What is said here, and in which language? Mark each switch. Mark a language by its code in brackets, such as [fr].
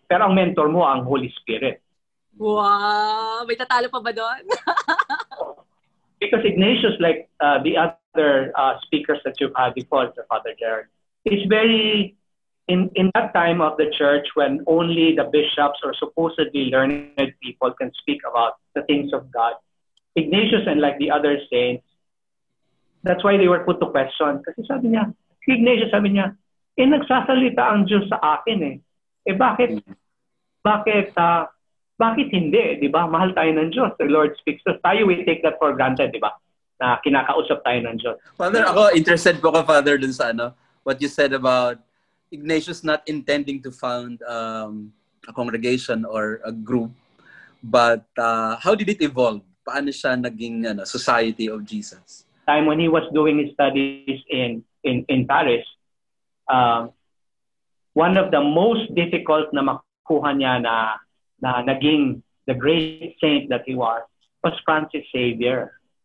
[tl] Pero ang mentor mo ang Holy Spirit. Wow! May tatalo pa ba doon? [en] Because Ignatius, like the other speakers that you've had before, Father Jared, is very in that time of the church when only the bishops or supposedly learned people can speak about the things of God, Ignatius and like the other saints, that's why they were put to question. [tl] Kasi sabi niya, Ignatius sabi niya, eh, nagsasalita ang Diyos sa akin eh. Eh, bakit hindi, di ba? Mahal tayo ng Diyos. [en] The Lord speaks to us. [tl] Tayo, [en] we take that for granted, di ba? [tl] Na kinakausap tayo ng Diyos. [en] Father, ako, interested po ka, Father, [tl] dun sa ano, [en] what you said about Ignatius not intending to found a congregation or a group, but how did it evolve? [tl] Paano siya naging ano, Society of Jesus? [en] Time when he was doing his studies in Paris, one of the most difficult [tl] na makuha niya na naging [en] the great saint that he was Francis Xavier.